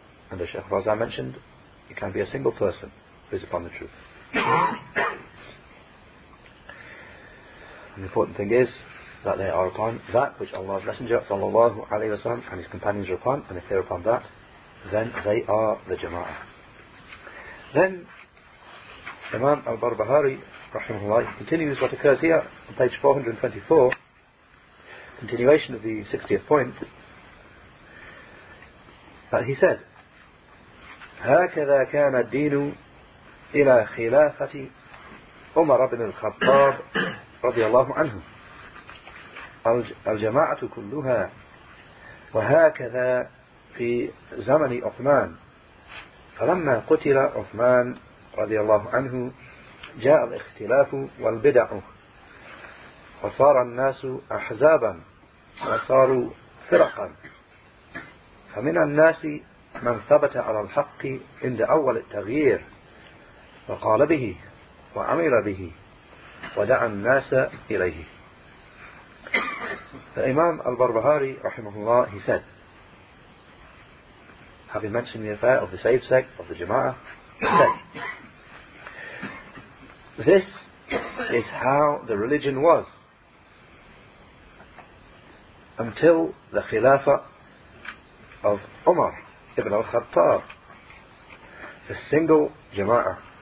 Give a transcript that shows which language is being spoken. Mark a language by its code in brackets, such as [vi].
[en] And as Shaykh Fawzan mentioned, it can be a single person who is upon the truth. And the important thing is that they are upon that which Allah's Messenger sallallahu alayhi wa sallam and his companions are upon, and if they are upon that, then they are the Jama'ah. Then Imam al-Barbahari rahimahullah continues what occurs here on page 424, continuation of the 60th point, that he said, [ar] هكذا كان الدين إلى خلافة عمر بن الخطاب رضي الله عنه الجماعة كلها وهكذا في زمن عثمان فلما قتل عثمان رضي الله عنه جاء الاختلاف والبدع وصار الناس أحزابا وصاروا فرقا فمن الناس من ثبت على الحق عند أول التغيير وقال به وعمل به ودعا الناس إليه. [en] The Imam al-Barbahari rahimahullah, he said, having mentioned the affair of the saved sect of the Jama'ah, he said, this is how the religion was until the Khilafah of Umar ibn al-Khattab, the single Jama'ah.